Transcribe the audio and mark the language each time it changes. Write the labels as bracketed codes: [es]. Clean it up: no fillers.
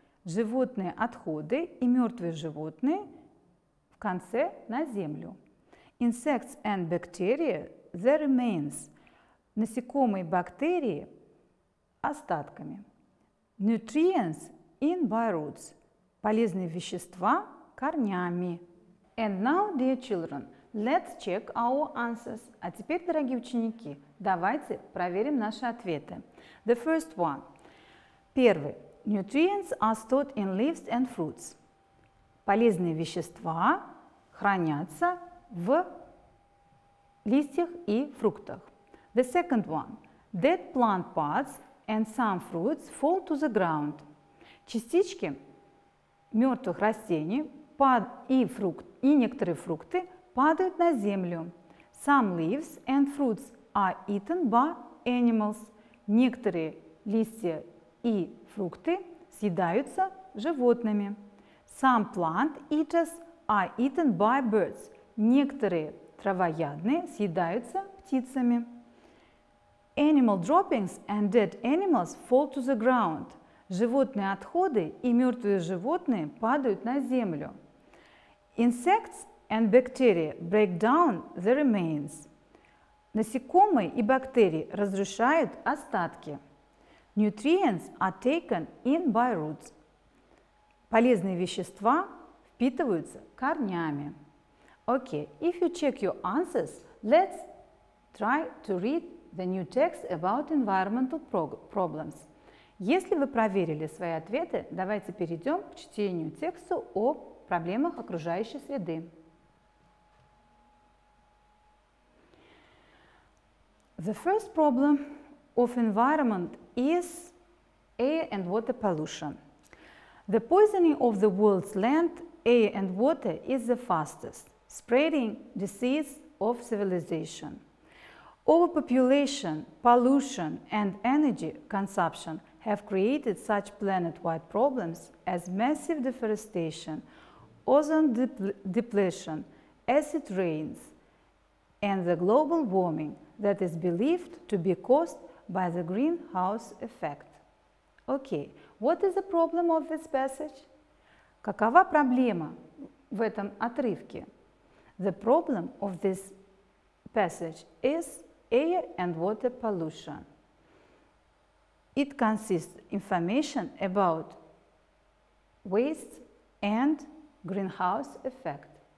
[ru] Животные отходы и мертвые животные в конце на землю. [en] Insects and bacteria, the remains. [ru] Насекомые бактерии остатками. [en] Nutrients in by roots. [ru] Полезные вещества корнями. [en] And now, dear children, let's check our answers. [ru] А теперь, дорогие ученики, давайте проверим наши ответы. [en] The first one. [ru] Первый. [en] Nutrients are stored in leaves and fruits. [ru] Полезные вещества хранятся в листьях и фруктах. [en] The second one. Dead plant parts and some fruits fall to the ground. [ru] Частички мертвых растений и некоторые фрукты падают на землю. [en] Some leaves and fruits are eaten by animals. [ru] Некоторые листья и фрукты съедаются животными. [en] Some plant eaters are eaten by birds. [ru] Некоторые травоядные съедаются птицами. [en] Animal droppings and dead animals fall to the ground. [ru] Животные отходы и мертвые животные падают на землю. [en] Insects and bacteria break down the remains. [ru] Насекомые и бактерии разрушают остатки. [en] Nutrients are taken in by roots. [ru] Полезные вещества впитываются корнями. [en] Okay, if you check your answers, let's try to read the new text about environmental problems. [ru] Если вы проверили свои ответы, давайте перейдем к чтению текста о проблемах окружающей среды. [en] The first problem of environment is air and water pollution. The poisoning of the world's land, air and water is the fastest, spreading disease of civilization. Overpopulation, pollution and energy consumption have created such planet-wide problems as massive deforestation, ozone depletion, acid rains and the global warming that is believed to be caused by the greenhouse effect. Okay, what is the problem of this passage? [ru] Какова проблема в этом отрывке? [en] The problem of this passage is air and water pollution. It consists of information about waste and greenhouse effect.